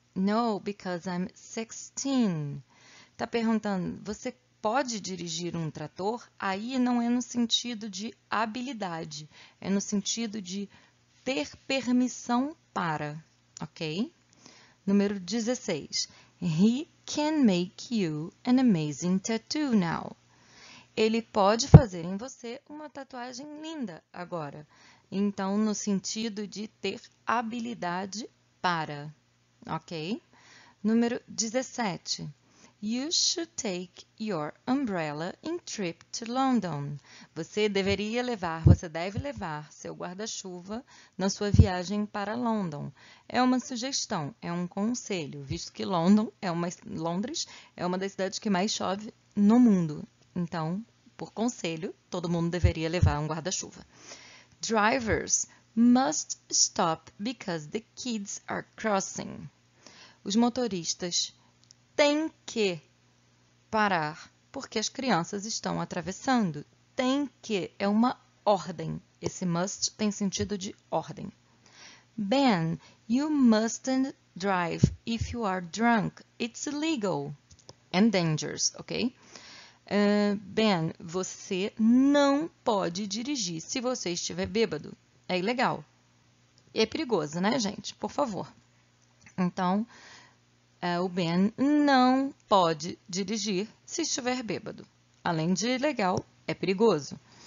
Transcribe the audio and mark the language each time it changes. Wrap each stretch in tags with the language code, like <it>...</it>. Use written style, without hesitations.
<en>No, because I'm 16.</en> <pt>Tá perguntando, você pode dirigir um trator? Aí não é no sentido de habilidade, é no sentido de ter permissão para, ok? Número 16.</pt> <en>He can make you an amazing tattoo now.</en> <pt>Ele pode fazer em você uma tatuagem linda agora. Então, no sentido de ter habilidade para, ok? Número 17.</pt> <en>You should take your umbrella in trip to London.</en> <pt>Você deveria levar, você deve levar seu guarda-chuva na sua viagem para London. É uma sugestão, é um conselho, visto que Londres é uma das cidades que mais chove no mundo. Então, por conselho, todo mundo deveria levar um guarda-chuva.</pt> <en>Drivers must stop because the kids are crossing.</en> <pt>Os motoristas têm que parar porque as crianças estão atravessando. Tem que é uma ordem. Esse must tem sentido de ordem.</pt> <en>Ben, you mustn't drive if you are drunk. It's illegal and dangerous, ok?</en> <pt>Ben, você não pode dirigir se você estiver bêbado. É ilegal. E é perigoso, né, gente? Por favor. Então, o Ben não pode dirigir se estiver bêbado. Além de ilegal, é perigoso.</pt>